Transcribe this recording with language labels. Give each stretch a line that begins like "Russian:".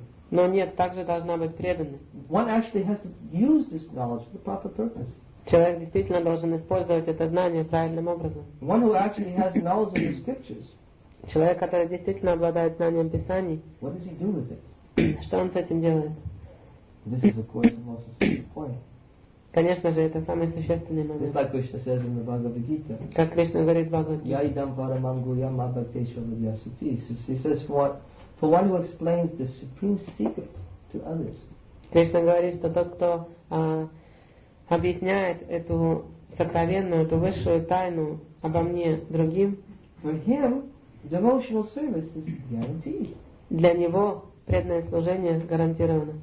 Russian: Но нет, также должна быть преданность.
English: One actually has to use this knowledge for the proper purpose.
Russian: Человек действительно должен использовать это знание правильным образом.
English: One who actually has knowledge of the scriptures.
Russian: Человек, который действительно обладает знанием Писаний.
English: What does he do with it?
Russian: Что он с этим делает?
English: This is of course the most essential point.
Russian: Конечно же, это самый существенный момент.
English: Just like Krishna says in the Bhagavad Gita.
Russian: Как Кришна говорит в Бхагавад-гите.
Sanskrit: Я идам парамам гурьям абхактейшам вьясити.
English: He says, for one who explains the supreme secret to others.
Russian: Кришна говорит, что тот, кто объясняет эту сокровенную, эту высшую тайну обо мне другим.
English: For him, devotional service is guaranteed.
Russian: Для него преданное служение гарантировано.